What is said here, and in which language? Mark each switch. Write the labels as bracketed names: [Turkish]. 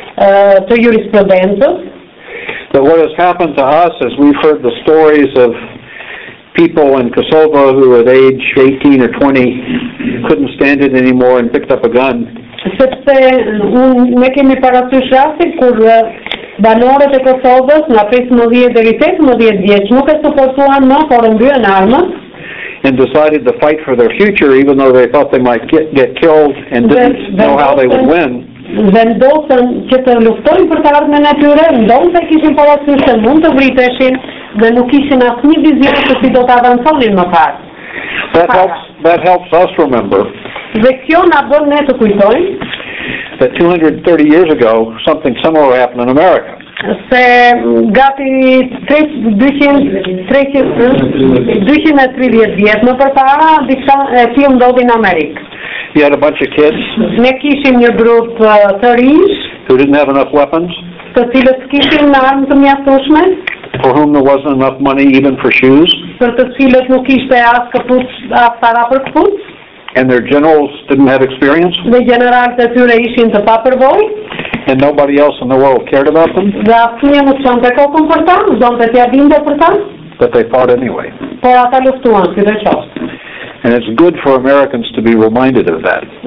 [English] That what has happened to us is we've heard the stories of people in Kosovo who at age 18 or 20 couldn't stand it anymore and picked up a gun. [Albanian] Sepse ne kemi parasysh rastin kur banorët e Kosovës nga 15 deri 18 vjeç nuk e suportuan më, por mbyen armën. [English] And decided to fight for their future even though they thought they might get killed and didn't know how they would win. [Albanian] Vendosën që të luftojnë për të ardhmen e tyre, ndonëse kishin parasysh se mund të vriteshin dhe nuk kishin asnjë vizion se si do të avancojnë më parë. [English] That helps us remember. [Albanian] Dhe kjo na bën ne të kujtojmë [English] that 230 years ago something similar happened in America. [Albanian] Se gati 230 vjet më përpara diçka e tillë ndodhi në Amerikë. [English] We had a bunch of kids. [Albanian] Ne kishim një grup të rish. [English] Who didn't have enough weapons? [Albanian] Të cilët kishin armë të mjaftueshme. [English] For whom there wasn't enough money even for shoes. [Albanian] Për të cilët nuk kishte as kaput, as para për kaput. [English] And their generals didn't have experience. [Albanian] Dhe generalët e tyre ishin të papërvojë. [English] And nobody else in the world cared about them. [Albanian] Dhe asnjë nuk shante ka komportan, donte t'ia dinte për ta. [English] But they fought anyway. [Albanian] Por ata luftuan sidoqoftë. [English] And it's good for Americans to be reminded of that.